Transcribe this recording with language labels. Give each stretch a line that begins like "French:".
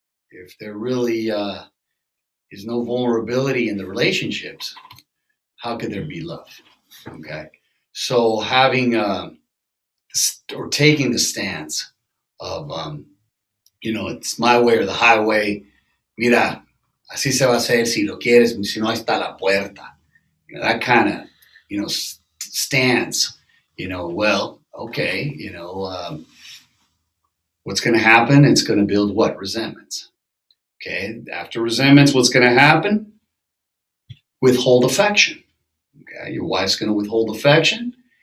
English: If there really is no vulnerability in the relationships, how could there be love? Okay. So having or taking the stance of, it's my way or the highway.
Spanish: Mira, así se va a hacer si lo quieres, si no está la puerta.
English: You know, that kind of, you know, stance. You know, well, okay, you know, what's going to happen? It's going to build what? Resentments. Okay, after resentments, what's going to happen? Withhold affection. Okay, your wife's going to withhold affection.